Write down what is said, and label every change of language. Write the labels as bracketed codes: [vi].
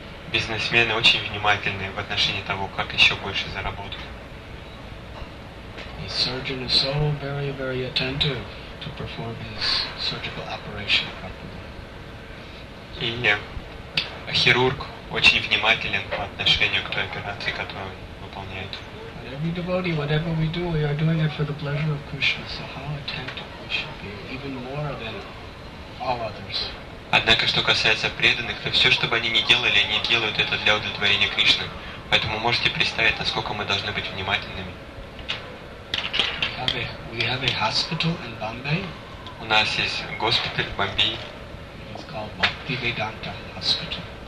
[ru] Бизнесмены очень внимательны в отношении того, как еще больше заработать. [en] The surgeon is so very, very attentive to perform his surgical operation properly. [ru] И хирург очень внимателен по отношению к той операции, которую он выполняет. [en] And every devotee, whatever we do, we are doing it for the pleasure of Krishna. So how attentive we should be, even more than all others. [ru] Однако, что касается преданных, то все, что бы они ни делали, они делают это для удовлетворения Кришны. Поэтому можете представить, насколько мы должны быть внимательными. [en] We have a hospital in Bombay. [ru] У нас есть госпиталь в Бомбее. [en] It's called Bhaktivedanta Hospital.